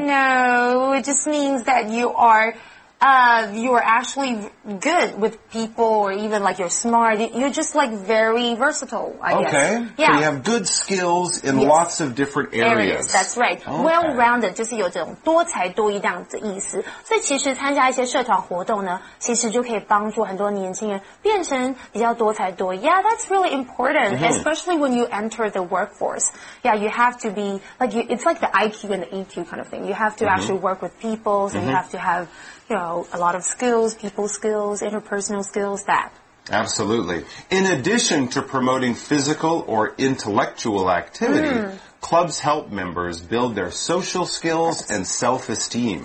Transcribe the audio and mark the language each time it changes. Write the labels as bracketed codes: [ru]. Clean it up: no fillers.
[en] No, it just means that you are actually good with people or even like you're smart. You're just like very versatile, I guess. Okay. Yeah. So you have good skills in lots of different areas. That's right. Okay. [zh] Well-rounded 就是有这种多才多艺这样的意思。所以其实参加一些社团活动呢其实就可以帮助很多年轻人变成比较多才多艺。 [en] Yeah, that's really important,、mm-hmm. especially when you enter the workforce. Yeah, you have to be, it's like the IQ and the EQ kind of thing. You have to、mm-hmm. actually work with people, so、mm-hmm. you have to have,a lot of skills, people skills, interpersonal skills, that. Absolutely. In addition to promoting physical or intellectual activity,、clubs help members build their social skills and self-esteem.